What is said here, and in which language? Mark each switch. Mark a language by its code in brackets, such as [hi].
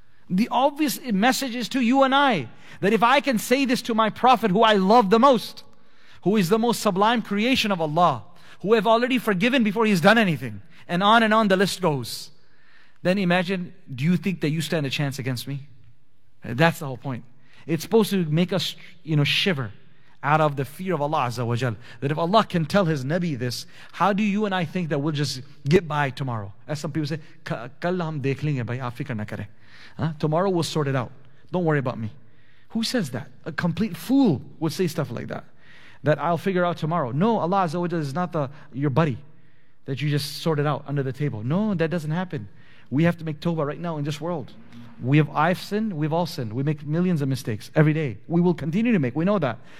[en] The obvious message is to you and I that if I can say this to my Prophet who I love the most, who is the most sublime creation of Allah, who have already forgiven before he's done anything, and on the list goes, then imagine, do you think that you stand a chance against me? That's the whole point. It's supposed to make us, shiver out of the fear of Allah Azza wa Jal. That if Allah can tell his Nabi this, how do you and I think that we'll just get by tomorrow? As some people say, [ur] کل ہم دیکھ لیں گے بھائی، آپ فکر نہ کرے. [en] Tomorrow we'll sort it out. Don't worry about me. Who says that? A complete fool would say stuff like that. That I'll figure out tomorrow. No, Allah Azza wa Jal is not your buddy that you just sorted out under the table. No, that doesn't happen. We have to make tawbah right now in this world. I've sinned, we've all sinned. We make millions of mistakes every day. We will continue to make, we know that.